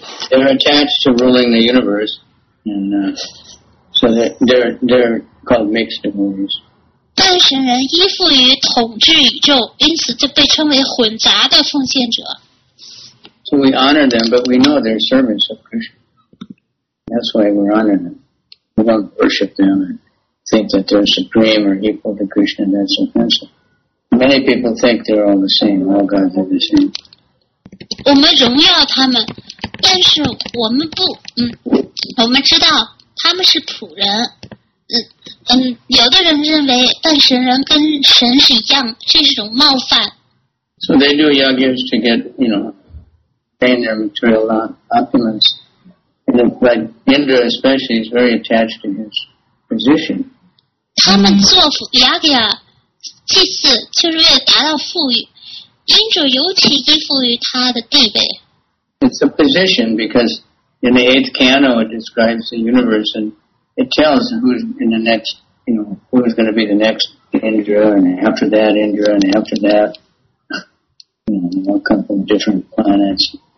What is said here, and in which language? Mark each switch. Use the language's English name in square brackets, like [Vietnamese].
[English] They're attached to ruling the universe, and so they're called mixed devotees. [Chinese] 但是人依附于统治宇宙，因此就被称为混杂的奉献者。 [English] So we honor them, but we know they're servants of Krishna. That's why we honor them. We don't worship them and think that they're supreme or equal to Krishna. That's offensive. Many people think they're all the same. All gods are the same. [Chinese] 我们荣耀他们。但是我们不，嗯，我们知道他们是仆人，嗯嗯，有的人认为半神人跟神是一样，这是一种冒犯。 [English] So they do yagyas to get, you know, gain their material opulence. And like Indra especially is very attached to his position. [Chinese] 他们做yagya祭祀就是为了达到富裕，因着尤其依附于他的地位。 [English] It's a position because in the eighth canto it describes the universe and it tells who's in the next, you know, who's going to be the next Indra and after that Indra and after that, you know, they'll come from different planets.